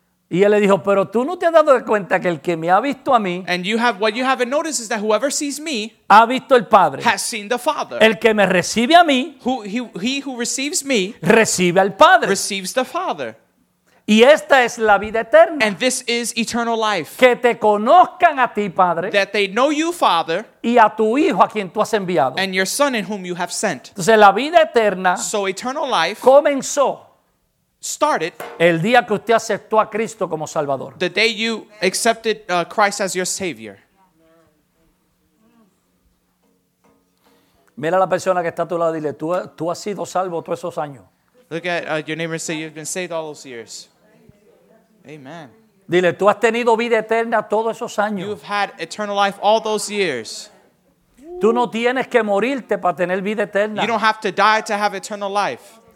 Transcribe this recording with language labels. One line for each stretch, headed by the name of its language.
Spanish: Y él le dijo, pero tú no te has dado cuenta que el que me ha visto a mí,
English: and you have, what you haven't noticed is that whoever sees me,
Spanish: ha visto el Padre.
English: Has seen the Father.
Spanish: El que me recibe a mí,
English: he who receives me,
Spanish: recibe al Padre.
English: Receives the Father.
Spanish: Y esta es la vida eterna.
English: And this is eternal life.
Spanish: Que te conozcan a ti, Padre.
English: That they know you, Father.
Spanish: Y a tu hijo a quien tú has enviado.
English: And your son in whom you have sent.
Spanish: Entonces la vida eterna.
English: So eternal life.
Spanish: Comenzó.
English: Started
Spanish: el día que usted aceptó a Cristo como Salvador.
English: The day you accepted Christ as your Savior.
Spanish: Mira la persona que está a tu lado y dile, tú has sido salvo todos esos años.
English: Look at your neighbor and say, you've been saved all those years. Amen.
Spanish: Dile, tú has tenido vida eterna todos esos años.
English: You've had eternal life all those years.
Spanish: Tú no tienes que morirte para tener vida eterna.
English: You don't have to die to have eternal life.